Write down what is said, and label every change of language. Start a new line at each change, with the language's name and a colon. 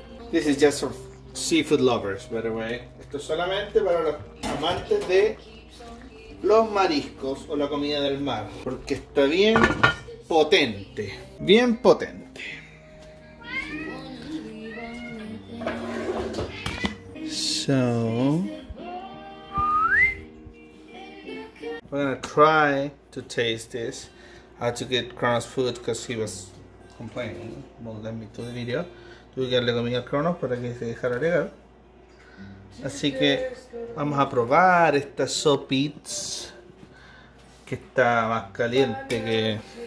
English: This is just for seafood lovers, by the way.
Spanish: Esto es solamente para los amantes de los mariscos o la comida del mar, porque está bien potente, bien potente.
English: So, we're gonna try to taste this. I had to get Kronos food because he was complaining. Well, let me do the video.
Spanish: Tuve que darle comida a Kronos para que se dejara llegar. Así que vamos a probar esta sopitz, que está más caliente que...